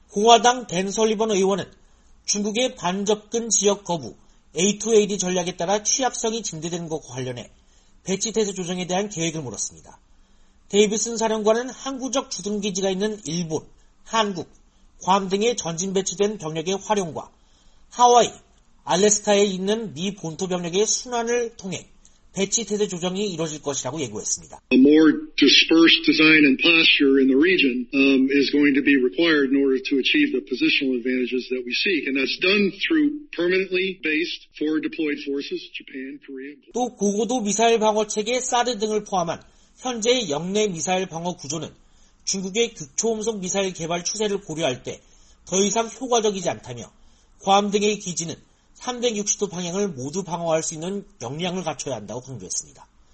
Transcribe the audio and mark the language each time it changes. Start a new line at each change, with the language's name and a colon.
Korean: 공화당 댄 설리번 의원은 중국의 반접근 지역 거부, A2AD 전략에 따라 취약성이 증대된 것과 관련해 배치태세 조정에 대한 계획을 물었습니다. 데이비슨 사령관은 항구적 주둔기지가 있는 일본, 한국, 괌 등의 전진 배치된 병력의 활용과 하와이, 알래스카에 있는 미 본토 병력의 순환을 통해 배치태세 조정이 이뤄질 것이라고 예고했습니다.
English: A more dispersed design and posture in the region is going to be required in order to achieve the positional advantages that we seek. And that's done through permanently based forward deployed forces, Japan, Korea.
Korean: 또 고고도 미사일 방어 체계 사드 등을 포함한 현재의 역내 미사일 방어 구조는 중국의 극초음속 미사일 개발 추세를 고려할 때 더 이상 효과적이지 않다며 괌 등의 기지는 360도 방향을 모두 방어할 수 있는 역량을 갖춰야 한다고 강조했습니다.